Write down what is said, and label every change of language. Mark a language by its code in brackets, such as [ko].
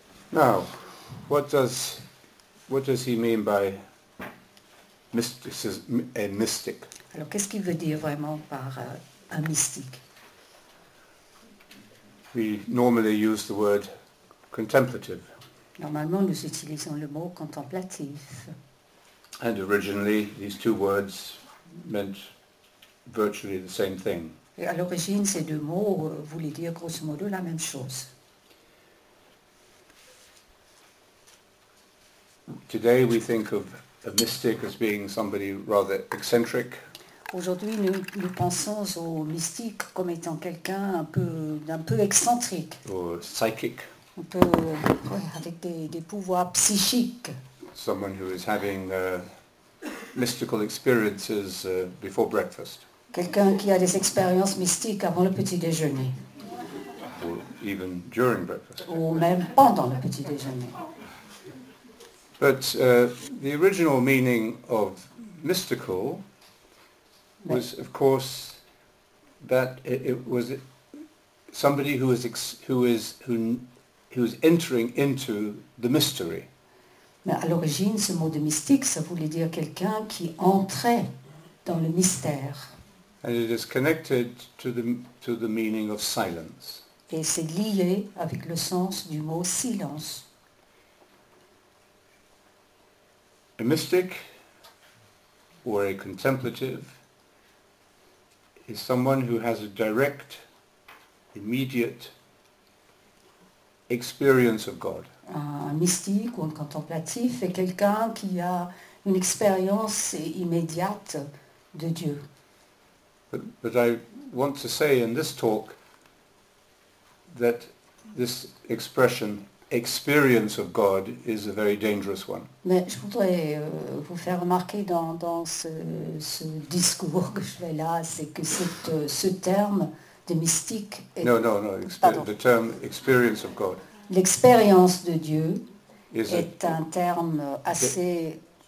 [en] Now, what does he mean by mysticism, a mystic? [fr] Alors, qu'est-ce qu'il veut dire vraiment par un mystique? [en] We normally use the word contemplative. [fr] Normalement, nous utilisons le mot contemplatif. [en] And originally, these two words meant virtually the same thing. [fr] Et à l'origine, ces deux mots voulaient dire grosso modo la même chose. [en] Today, we think of a mystic as being somebody rather eccentric. [fr] Aujourd'hui, nous pensons au mystique comme étant quelqu'un un peu excentrique. [en] Or psychic. [fr] Un peu avec des pouvoirs psychiques. [en] Someone who is having mystical experiences before breakfast. [fr] Quelqu'un qui a des expériences mystiques avant le petit déjeuner. [en] Or even during breakfast. [fr] Ou même pendant le petit déjeuner. [en] But the original meaning of mystical was, of course, that it was somebody who is entering into the mystery. [fr] Mais à l'origine, ce mot de mystique, ça voulait dire quelqu'un qui entrait dans le mystère. [en] And it is connected to the meaning of silence. [fr] Et c'est lié avec le sens du mot silence. [en] A mystic or a contemplative is someone who has a direct, immediate experience of God. [fr] Un mystique ou un contemplatif est quelqu'un qui a une expérience immédiate de Dieu. [en] But I want to say in this talk that this expression experience of God is a very dangerous one. [fr] Mais je voudrais vous faire remarquer dans ce discours que je fais là, c'est que ce terme de mystique est... [en] No. The term experience of God. [fr] L'expérience de Dieu est un terme assez...